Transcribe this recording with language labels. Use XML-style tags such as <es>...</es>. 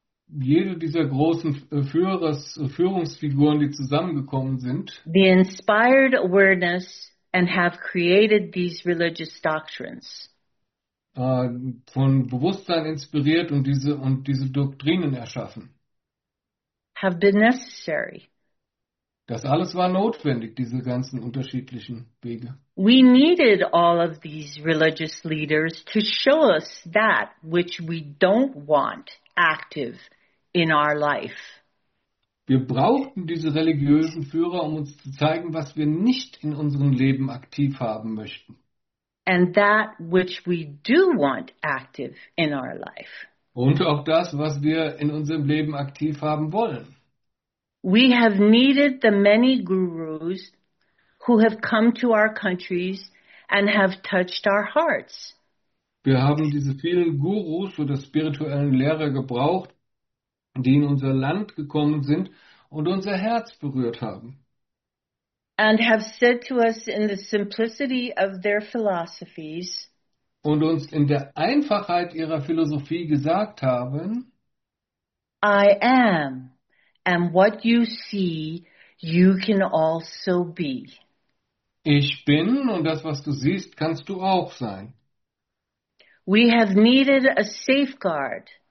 <de>jede dieser großen Führungsfiguren, die zusammengekommen sind,</de> <en>the inspired awareness and have created these religious doctrines.</en> <de>Von Bewusstsein inspiriert und diese Doktrinen erschaffen.</de> <en>Have been necessary.</en> <de>Das alles war notwendig, diese ganzen unterschiedlichen Wege.</de> <en>We needed all of these religious leaders to show us that which we don't want active in our life.</en> <de>Wir brauchten diese religiösen Führer, um uns zu zeigen, was wir nicht in unserem Leben aktiv haben möchten.</de> <en>And that which we do want active in our life.</en> <de>Und auch das, was wir in unserem Leben aktiv haben wollen.</de> <en>We have needed the many gurus who have come to our countries and have touched our hearts.</en> <de>Wir haben diese vielen Gurus oder spirituellen Lehrer gebraucht, die in unser Land gekommen sind und unser Herz berührt haben.</de> <en>And have said to us in the simplicity of their philosophies,</en> <de>und uns in der Einfachheit ihrer Philosophie gesagt haben,</de> <en>I am, and what you see, you can also be.</en> <de>Ich bin, und das, was du siehst, kannst du auch sein.</de> <en>We have needed a safeguard.</en>